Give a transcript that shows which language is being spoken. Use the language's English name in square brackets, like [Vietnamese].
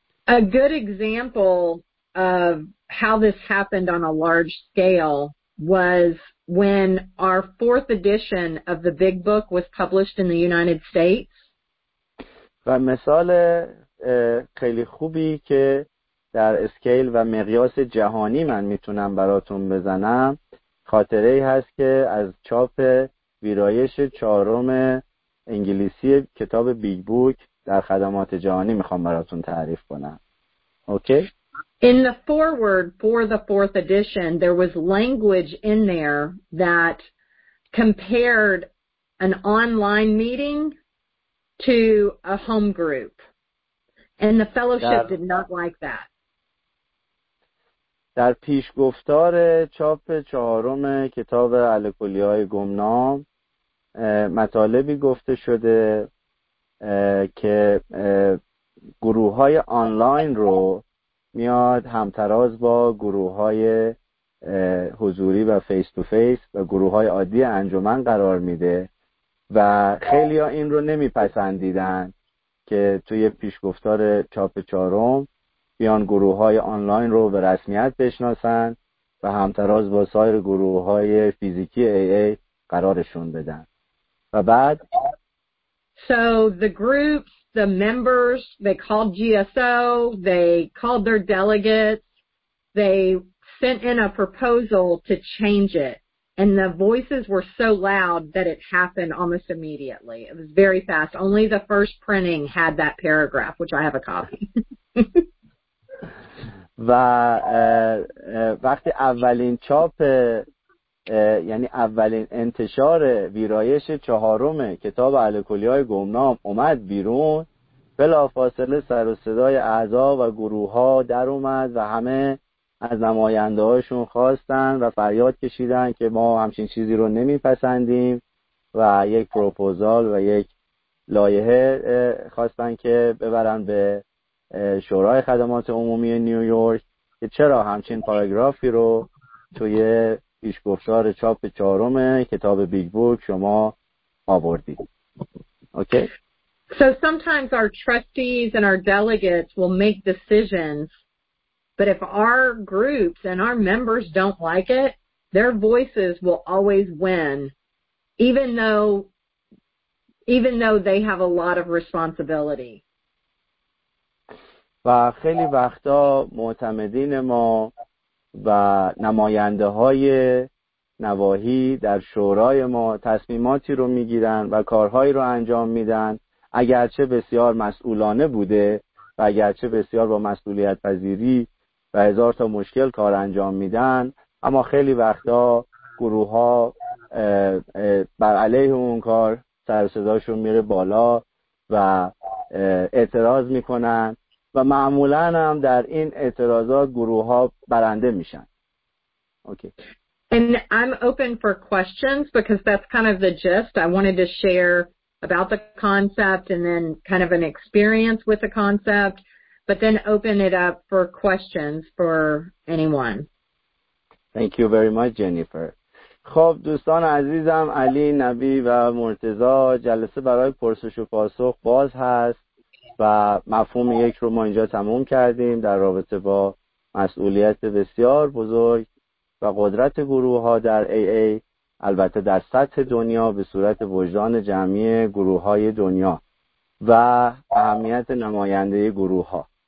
[English] A good example of how this happened on a large scale was when our fourth edition of the Big Book was published in the United States. [Persian] و مثال خیلی خوبی که در اسکیل و مقیاس جهانی من میتونم براتون بزنم خاطره ای هست که از چاپ ویرایش چهارم انگلیسی کتاب بیگ بوک در خدمات جهانی میخوام براتون تعریف کنم. [English] Okay? In the foreword for the fourth edition, there was language in there that compared an online meeting to a home group. And the fellowship did not like that. [Persian] در پیشگفتار چاپ چهارم کتاب الکلی‌های گمنام مطالبی گفته شده که گروه‌های آنلاین رو میاد همتراز با گروه‌های حضوری و فیس تو فیس و گروه‌های عادی انجمن قرار میده و خیلی‌ها این رو نمیپسندیدن که توی پیشگفتار چاپ چهارم بیان گروه‌های آنلاین رو به رسمیت بشناسن و همتراز با سایر گروه‌های فیزیکی AA قرارشون بدن. و بعد [English] So the groups, the members, they called GSO, they called their delegates, they sent in a proposal to change it, and the voices were so loud that it happened almost immediately. It was very fast. Only the first printing had that paragraph, which I have a copy. [Persian] و وقتی اولین چاپ یعنی اولین انتشار ویرایش چهارم کتاب الکلی‌های گمنام اومد بیرون، بلافاصله سر و صدای اعضا و گروه‌ها در اومد و همه از نماینده‌هاشون خواستن و فریاد کشیدن که ما همچین چیزی رو نمی‌پسندیم و یک پروپوزال و یک لایحه خواستن که ببرن به شورای خدمات عمومی نیویورک که چرا همچین پاراگرافی رو توی پیشگفتار چاپ چهارم کتاب بیگ بوک شما آوردید. [English] Okay. So sometimes our trustees and our delegates will make decisions, but if our groups and our members don't like it, their voices will always win, even though they have a lot of responsibility. [Persian] و خیلی وقتا معتمدین ما و نماینده های نواحی در شورای ما تصمیماتی رو میگیرن و کارهایی رو انجام میدن اگرچه بسیار مسئولانه بوده و اگرچه بسیار با مسئولیت پذیری و هزار تا مشکل کار انجام میدن، اما خیلی وقتا گروه ها بر علیه اون کار سر و صداشون میره بالا و اعتراض میکنن و معمولا هم در این اعتراضات گروه ها برنده میشن. [English] Okay. And I'm open for questions because that's kind of the gist. I wanted to share about the concept and then kind of an experience with the concept, but then open it up for questions for anyone. Thank you very much, Jennifer. [Persian] خب دوستان عزیزم، علی، نبی و مرتضی، جلسه برای پرسش و پاسخ باز هست و مفهوم یک رو ما اینجا تموم کردیم در رابطه با مسئولیت بسیار بزرگ و قدرت گروه ها در AA، البته در سطح دنیا به صورت وجدان جمعی گروه های دنیا و اهمیت نماینده گروه ها.